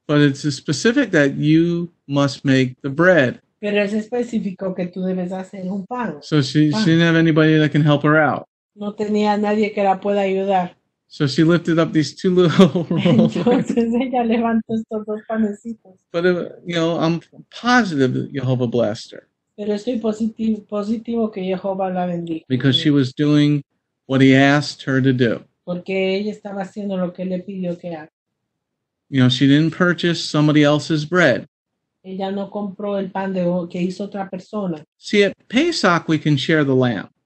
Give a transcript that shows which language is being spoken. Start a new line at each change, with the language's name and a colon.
English: But it's specific that you must make the bread.
Spanish: Pero es específico que tú debes hacer un pan.
English: So she didn't have anybody that can help her out.
Spanish: No tenía nadie que la pueda ayudar.
English: So she lifted up these 2 little rolls.
Spanish: Entonces ella levantó estos 2 panecitos.
English: But, I'm positive that Jehovah blessed her.
Spanish: Pero estoy positivo que Jehovah la bendiga.
English: Because she was doing what he asked her to do.
Spanish: Porque ella estaba haciendo lo que le pidió que haga.
English: She didn't purchase somebody else's bread.
Spanish: Ella no compró el pan que hizo otra persona.
English: See, at Pesach we can share the lamb.